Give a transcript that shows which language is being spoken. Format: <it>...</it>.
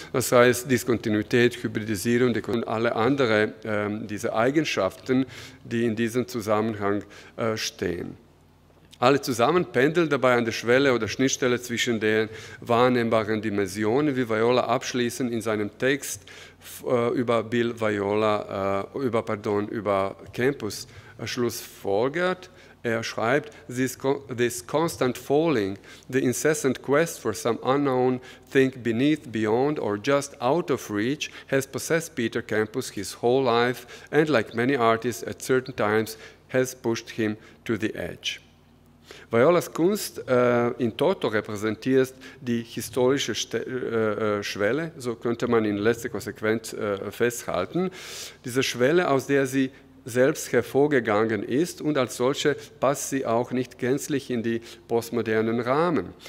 <de>Das heißt, Diskontinuität, Hybridisierung und alle anderen diese Eigenschaften, die in diesem Zusammenhang stehen. Alle zusammen pendeln dabei an der Schwelle oder Schnittstelle zwischen den wahrnehmbaren Dimensionen, wie Viola abschließend in seinem Text über Bill Viola, über Campus schlussfolgert. Er schreibt,</de> <en>this constant falling, the incessant quest for some unknown thing beneath, beyond or just out of reach has possessed Peter Campus his whole life and like many artists at certain times has pushed him to the edge.</en> <de>Violas Kunst in Toto repräsentiert die historische Schwelle, so könnte man in letzter Konsequenz festhalten, diese Schwelle, aus der sie selbst hervorgegangen ist, und als solche passt sie auch nicht gänzlich in die postmodernen Rahmen.</de>